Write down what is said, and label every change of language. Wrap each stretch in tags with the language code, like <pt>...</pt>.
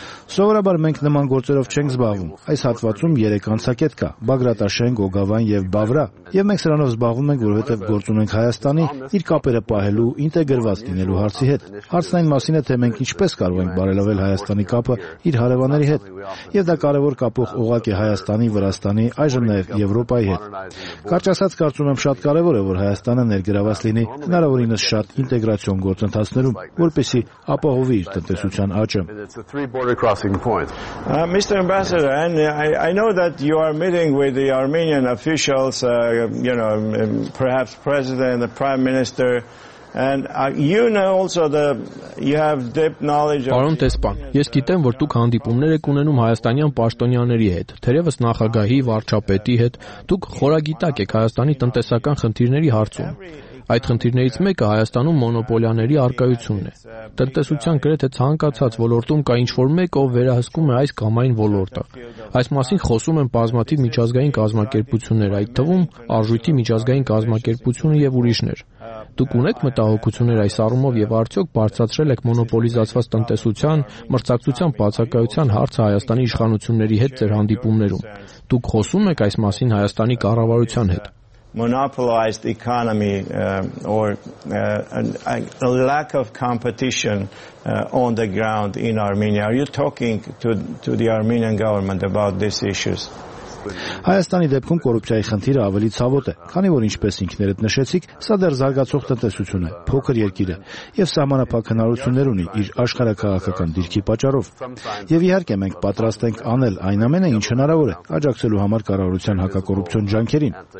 <hy>Սովորաբար մենք նման գործերով չենք զբաղվում։ Այս հատվածում 3 անցակետ կա՝ Բագրատաշեն, Գոգավան եւ Բավրա։ Եվ մենք սրանով զբաղվում ենք, որովհետեւ գործում ենք Հայաստանի իր կապերը պահելու, ինտեգրված լինելու հարցի հետ։ Հարցն այն մասին է, թե մենք ինչպես կարող ենք բարելավել Հայաստանի կապը իր հարևանների հետ։ Եվ դա կարևոր կապող ուղակ է Հայաստանի, Վրաստանի, այժմ նաեւ Եվրոպայի հետ։ Կարճ ասած, կարծում եմ, շատ կարևոր է, որ Հայաստանը ներգրավված լինի հնարավորինս շատ ինտեգրացիոն գործընթացներում, որպեսզի ապահովի իր տնտեսության աճը։</hy> <en>discussing point. Mr. Ambassador, and I know that you are meeting with the Armenian officials, you know, perhaps president, the prime minister. And you know also the you have deep knowledge of</en> <hy>Պարոն Տեսպան, ես գիտեմ, որ դուք հանդիպումներ եք ունենում հայաստանյան պաշտոնյաների հետ, թերևս նախագահի, վարչապետի հետ, դուք խորագիտակ եք Հայաստանի տնտեսական խնդիրների հարցում։ Այդ խնդիրներից մեկը Հայաստանում մոնոպոլիաների առկայությունն է։ Տնտեսության գրեթե ցանկացած ոլորտում կա ինչ-որ մեկը, ով վերահսկում է այս կամ այն ոլորտը։ Այս մասին խոսում են բազմաթիվ միջազգային կազմակերպություններ, այդ թվում արժույթի միջազգային կազմակերպությունը եւ ուրիշներ։ Դուք ունեք մտահոգություններ այս առումով եւ արդյոք բարձրացրել եք մոնոպոլիզացված տնտեսության, մրցակցության բացակայության հարցը Հայաստանի իշխանությունների հետ ձեր հանդիպումներում։ Դուք խոսում եք այս մասին Հայաստանի կառավարության հետ։</hy> <en>Monopolized economy a lack of competition on the ground in Armenia. Are you talking to the Armenian government about these issues?</en> <hy>Հայաստանի դեպքում կոռուպցիայի խնդիրը ավելի ցավոտ է, քանի որ ինչպես ինքներդ նշեցիք, սա դեռ զարգացող տնտեսություն է, փոքր երկիր է, եւ սահմանափակ հնարություններ ունի իր աշխարհակաղակական դիրքի պատճառով։ Եվ իհարկե մենք պատրաստ ենք անել այն ամենը, ինչ հնարավոր է, աջակցելու համար կառավարության հակակոռուպցիոն ջանքերին։</hy>